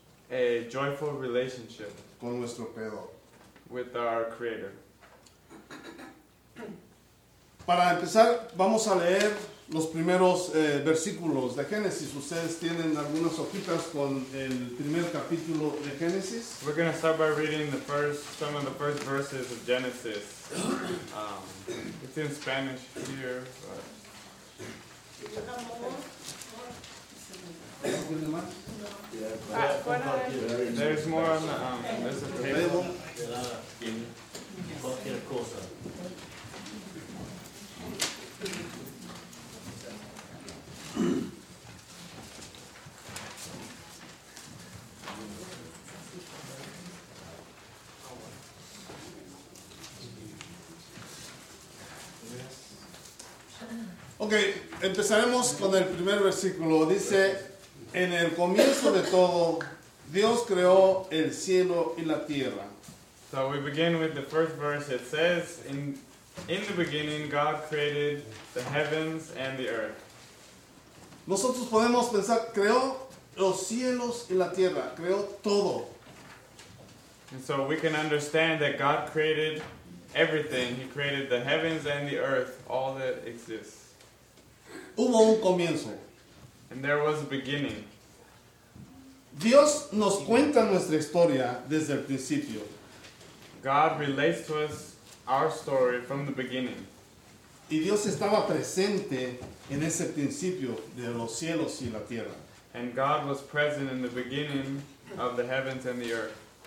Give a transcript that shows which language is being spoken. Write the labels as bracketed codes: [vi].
[en] A joyful relationship. [es] Con nuestro Creador. [en] With our Creator. [es] Para empezar, vamos a leer los primeros versículos de Génesis. Ustedes tienen algunas hojitas con el primer capítulo de Génesis. [en] We're going to start by reading some of the first verses of Genesis. It's in Spanish here. But... There's more on the table. [es] Ok, empezaremos con el primer versículo. Dice, en el comienzo de todo, Dios creó el cielo y la tierra. [en] So we begin with the first verse. It says, in the beginning, God created the heavens and the earth. Nosotros podemos pensar, creó los cielos y la tierra, creó todo. And so we can understand that God created everything. He created the heavens and the earth, all that exists. [es] Hubo un comienzo. [en] And there was a beginning. [es] Dios nos cuenta nuestra historia desde el principio. [en] God relates to us our story from the beginning. [es] Y Dios estaba presente en ese principio de los cielos y la tierra. [en] And God was present in the beginning of the heavens and the earth.